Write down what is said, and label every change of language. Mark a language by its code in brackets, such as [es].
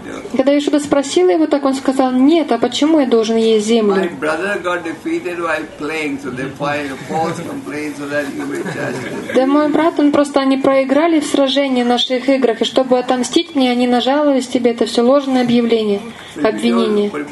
[ru] Когда Яшода спросила его, так он сказал: нет, а почему я должен есть землю? [en] My brother got defeated while playing, so they filed a false complaint so that you may judge. [ru] Да, мой брат, он просто они проиграли в сражении наших играх, и чтобы отомстить мне, они нажаловались тебе, это все ложное объявление, обвинение.